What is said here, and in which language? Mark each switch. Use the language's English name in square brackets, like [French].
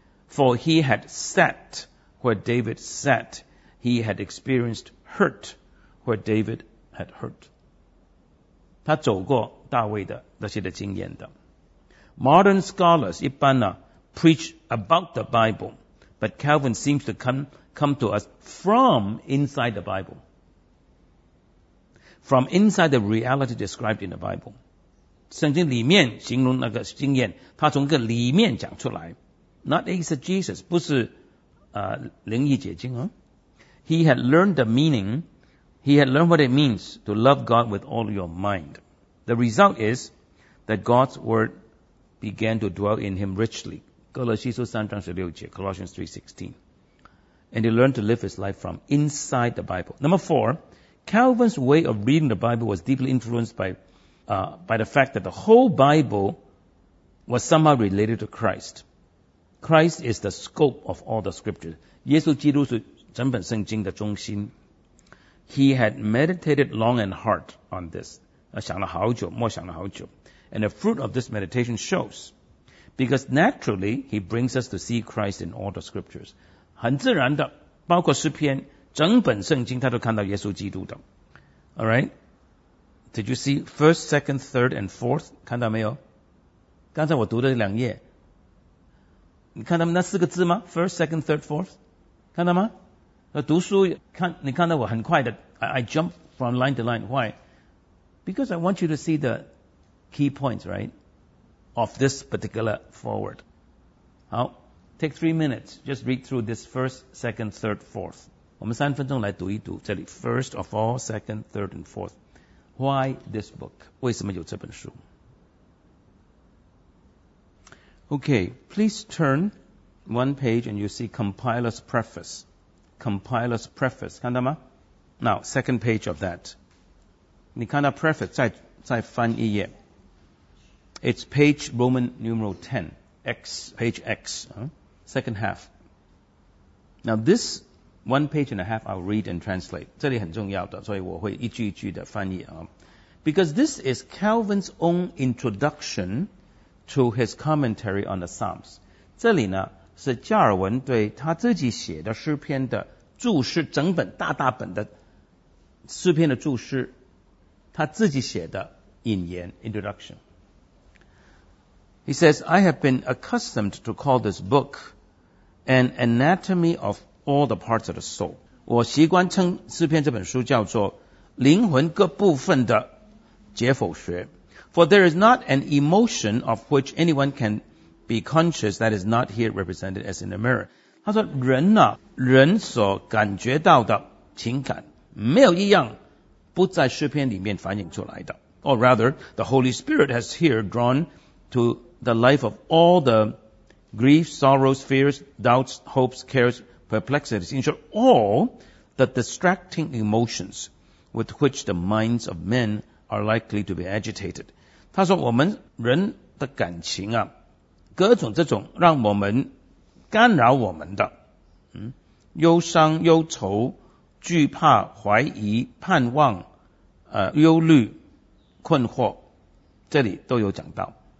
[English] For he had sat where David sat， he had experienced hurt where David had hurt。 [Chinese] 他走过大卫的那些的经验的。 [English] Modern scholars [Chinese] 一般呢 [English] preach about the Bible， but Calvin seems to come to us from inside the Bible。 From inside the reality described in the Bible， [Chinese] 圣经里面形容那个经验，他从个里面讲出来 [English] ，not exegesis， [Chinese] 不是灵异解经啊。 [English] He had learned the meaning， he had learned what it means to love God with all your mind。 The result is that God's word began to dwell in him richly， [Chinese] 哥罗西书三章十六节 [English] ，Colossians 3:16， and he learned to live his life from inside the Bible。 Number four。 Calvin's way of reading the Bible was deeply influenced by the fact that the whole Bible was somehow related to Christ. Christ is the scope of all the scriptures. [Chinese] 耶稣基督是整本圣经的中心。 [English] He had meditated long and hard on this. [Chinese] 想了好久，默想了好久。 [English] And the fruit of this meditation shows. Because naturally, he brings us to see Christ in all the scriptures. [Chinese] 很自然的，包括诗篇整本圣经他都看到耶稣基督的。 [English] Alright? Did you see first, second, third, and fourth? [Chinese] 看到没有？刚才我读的两页。你看他们那四个字吗？ [English] First, second, third, fourth? [Chinese] 看到吗？读书看，你看到我很快的 [English] I jump from line to line. Why? Because I want you to see the key points, right? Of this particular forward. 好， take 3 minutes. Just read through this first, second, third, fourth. [Chinese] 我们三分钟来读一读这里 [English] First of all, second, third and fourth. Why this book? [Chinese] 为什么有这本书？ [English] Okay, please turn one page and you see compiler's preface. Compiler's preface, [Chinese] 看到吗？ [English] Now, second page of that. [Chinese] 你看到 [English] preface, [Chinese] 再翻一页。 [English] It's page Roman numeral 10, X, page X, second half. Now this,One page and a half, I'll read and translate. [Chinese] 这里很重要的，所以我会一句一句的翻译啊。 [English] Because this is Calvin's own introduction to his commentary on the Psalms. [Chinese] 这里呢，是加尔文对他自己写的诗篇的注释，整本大大本的诗篇的注释，他自己写的引言 introduction. [English] He says, I have been accustomed to call this book an anatomy of All the parts of the soul. [Chinese] 我习惯称诗篇这本书叫做灵魂各部分的解剖学。 [English] For there is not an emotion of which anyone can be conscious that is not here represented as in a mirror. [Chinese] 他说人啊，人所感觉到的情感没有一样不在诗篇里面反映出来的。 [English] Or rather, the Holy Spirit has here drawn to the life of all the grief, sorrows, fears, doubts, hopes, cares,perplexities, in short, all the distracting emotions with which the minds of men are likely to be agitated. [Chinese] 他说我们人的感情啊，各种这种让我们干扰我们的，忧伤、忧愁、惧怕、怀疑、盼望、忧虑、困惑，这里都有讲到。